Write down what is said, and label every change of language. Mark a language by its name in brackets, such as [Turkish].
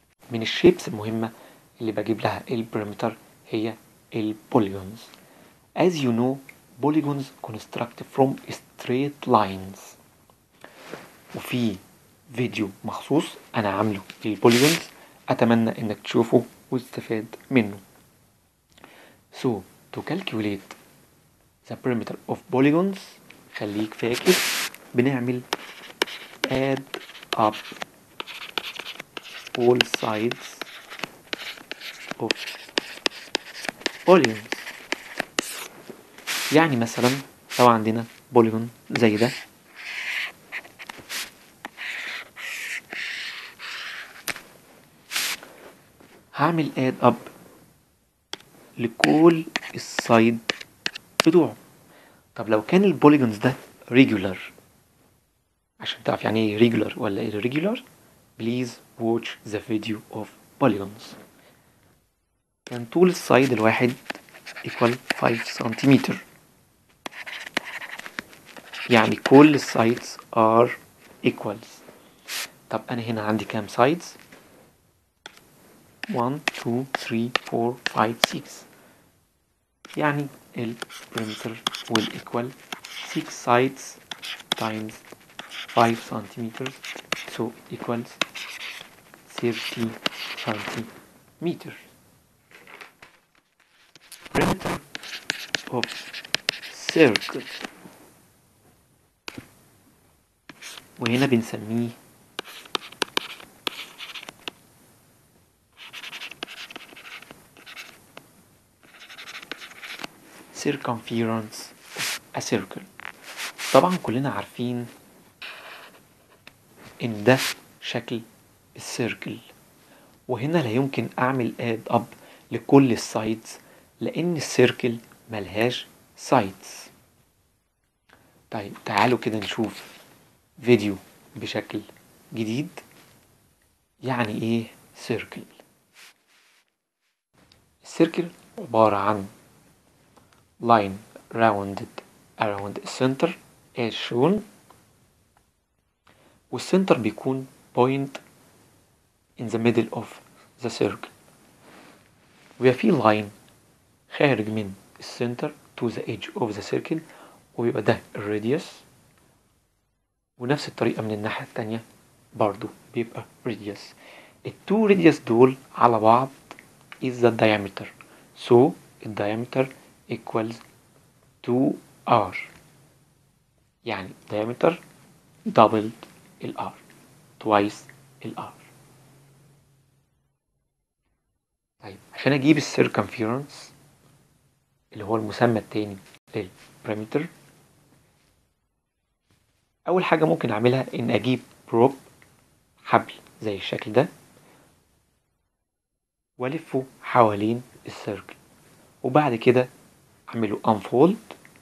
[Arabic] من الشيبس المهمة اللي بجيب لها البريمتر هي البوليجونز. [English] As you know polygons construct from straight lines، [Arabic] وفي فيديو مخصوص انا عامله للبوليجونز، اتمنى انك تشوفه وتستفاد منه. [English] So to calculate the perimeter of polygons، [Arabic] خليك فاكر بنعمل [English] add up all sides of polygons. [Arabic] يعني مثلا لو عندنا polygon زي ده هعمل add up لكل السايد بتوعه. طب لو كان البوليجونز ده ريجولر، عشان تعرف يعني ايه ريجولر ولا ايه ريجولر، [English] Please watch the video of polygons. [Arabic] كان طول السايد الواحد ايكوال 5 سنتيمتر، يعني كل السايدز [English] Are equals. [Arabic] طب انا هنا عندي كام سايدز؟ [English] 1 2 3 4 5 6، يعني البريمتر will equal 6 sides times 5 centimeters so equals 30 centimeters. Perimeter of circle [Arabic] وهنا بنسميه [English] circumference of a circle. [Arabic] طبعا كلنا عارفين ان ده شكل السيركل، وهنا لا يمكن اعمل add up لكل السايدز لان السيركل ملهاش سايدز. طيب تعالوا كده نشوف فيديو بشكل جديد يعني ايه سيركل. السيركل عبارة عن [English] line rounded around the center as shown، والcenter بيكون point in the middle of the circle. [Arabic] ويبقى في line خارج من center [English] to the edge of the circle [Arabic] ويبقى ده radius، ونفس الطريقة من الناحية التانية برضو بيبقى radius. [English] التو radius [Arabic] دول على بعض [English] is the diameter، so the diameter equals 2R، يعني diameter doubled الR twice الR. [Arabic] طيب عشان اجيب circumference اللي هو المسمى التاني للبريمتر، اول حاجة ممكن اعملها ان اجيب بروب حبل زي الشكل ده والفه حوالين السيركل، وبعد كده اعمله unfold